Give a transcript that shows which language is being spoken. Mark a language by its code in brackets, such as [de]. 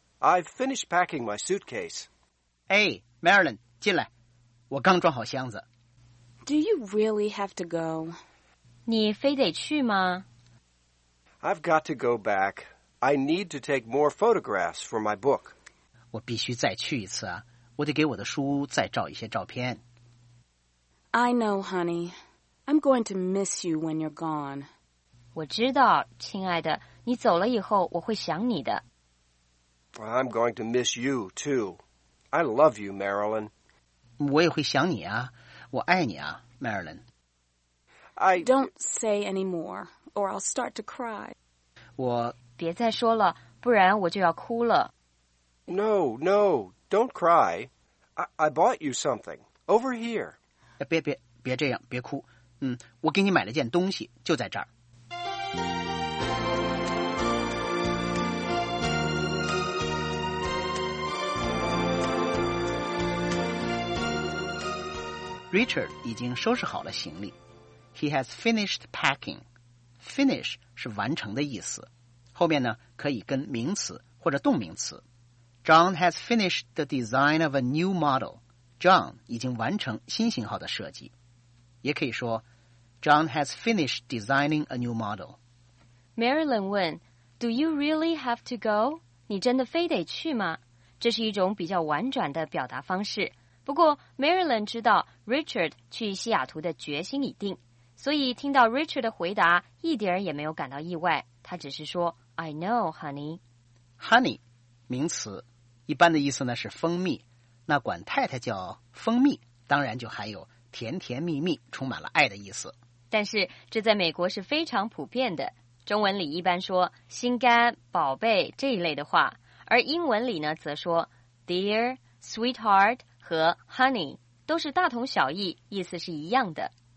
[en] I've finished packing my suitcase. [zh] Hey, Marilyn, 进来。我刚装好箱子。 [en] Do you really have to go? [zh] 你非得去吗？ [en] I've got to go back. I need to take more photographs for my book. [zh] 我必须再去一次啊。我得给我的书再照一些照片。 [en] I know, honey. I'm going to miss you when you're gone. [zh] 我知道，亲爱的，你走了以后我会想你的。 [en] I'm going to miss you, too. I love you, Marilyn. [zh] 我也会想你啊。我爱你啊 ,Marilyn. [en] I... Don't say any more, or I'll start to cry. [zh] 我别再说了，不然我就要哭了。 [en] No, no, don't cry. I bought you something, over here. [zh] 别这样，别哭。我给你买了件东西，就在这儿。 Richard 已经收拾好了行李。 [en] He has finished packing. [zh] Finish 是完成的意思，后面呢可以跟名词或者动名词。 [en] John has finished the design of a new model. [zh] John 已经完成新型号的设计。也可以说 [en] John has finished designing a new model. Marilyn 问 Do you really have to go? [zh] 你真的非得去吗？这是一种比较婉转的表达方式。不过 Marilyn 知道 Richard 去西雅图的决心已定，所以听到 Richard 的回答一点也没有感到意外。他只是说 [en] I know, honey. [zh] Honey, 名词，一般的意思呢是蜂蜜。那管太太叫蜂蜜，当然就含有甜甜蜜蜜，充满了爱的意思。但是这在美国是非常普遍的，中文里一般说心肝、宝贝这一类的话，而英文里呢则说 Dear, Sweetheart,和 honey 都是大同小异，意思是一样的。